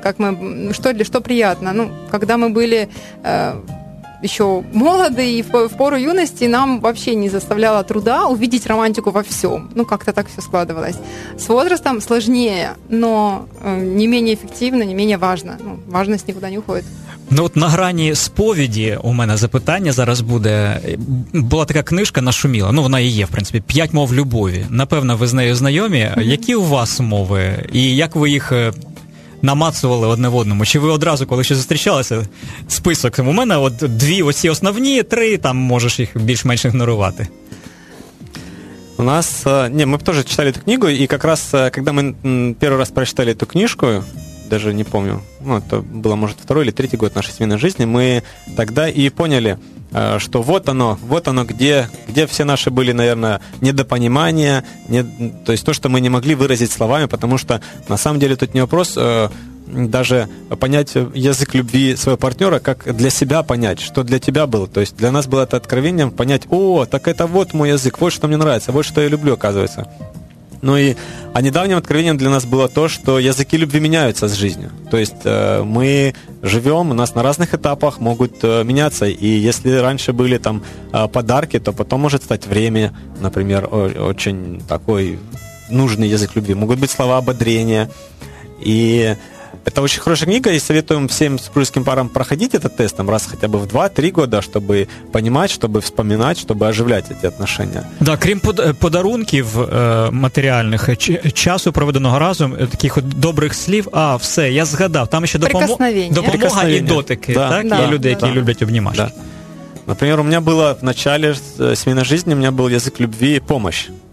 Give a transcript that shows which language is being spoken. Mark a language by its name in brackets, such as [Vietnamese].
[Russian] Как мы, что приятно? Ну, когда мы были еще молоды и в пору юности, нам вообще не заставляло труда увидеть романтику во всем. Ну, как-то так все складывалось. С возрастом сложнее, но не менее эффективно, не менее важно. Ну, важность никуда не уходит. [Ukrainian] Ну от на грані сповіді у мене запитання зараз буде. Була така книжка «Нашуміла», ну вона і є, в принципі, «П'ять мов любові». Напевно, ви з нею знайомі. Які у вас мови і як ви їх намацували одне в одному? Чи ви одразу, коли ще зустрічалися, список? У мене от дві оці основні, три, там можеш їх більш-менш ігнорувати. У нас, ні, ми б теж читали ту книгу, і якраз, коли ми перший раз прочитали ту книжку, [Russian] даже не помню, ну, это было, может, второй или третий год нашей семейной жизни, мы тогда и поняли, что вот оно, где все наши были, наверное, недопонимания, то есть то, что мы не могли выразить словами, потому что на самом деле тут не вопрос даже понять язык любви своего партнера, как для себя понять, что для тебя было. То есть для нас было это откровением понять, о, так это вот мой язык, вот что мне нравится, вот что я люблю, оказывается. Ну и а недавним откровением для нас было то, что языки любви меняются с жизнью. То есть мы живем, у нас на разных этапах могут меняться. И если раньше были там подарки, то потом может стать время, например, очень такой нужный язык любви. Могут быть слова ободрения. И это очень хорошая книга, и советуем всем супружеским парам проходить этот тест там, раз хотя бы в 2-3 года, чтобы понимать, чтобы вспоминать, чтобы оживлять эти отношения. [Ukrainian] Да, крім подарунків матеріальних, часу проведеного разом, таких от добрих слів, а все, я згадав, там ще допомога і дотики, да, так? Да, і люди, які люблять обнімати. Да. [Russian] Например, у меня было в начале семейной жизни, у меня был язык любви и помощь.